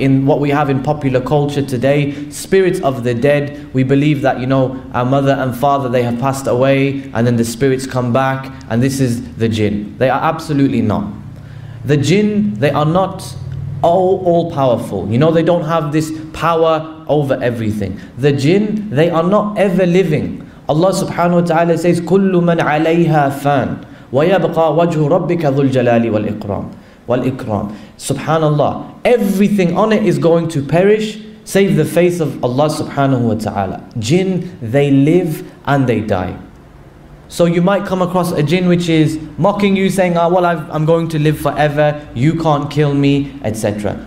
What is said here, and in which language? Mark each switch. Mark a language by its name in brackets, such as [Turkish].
[English] In what we have in popular culture today, spirits of the dead, we believe that, you know, our mother and father, they have passed away and then the spirits come back, and this is the jinn. They are absolutely not. The jinn, they are not all powerful. You know, they don't have this power over everything. The jinn, they are not ever living. [Arabic] Allah subhanahu wa ta'ala says, كُلُّ مَنْ عَلَيْهَا فَانْ وَيَبْقَى وَجْهُ رَبِّكَ ذُو الْجَلَالِ وَالْإِكْرَامِ. [English] Subhanallah, everything on it is going to perish save the face of Allah subhanahu wa ta'ala. Jinn, they live and they die. So you might come across a jinn which is mocking you, saying, "Ah, well, I'm going to live forever, you can't kill me," etc.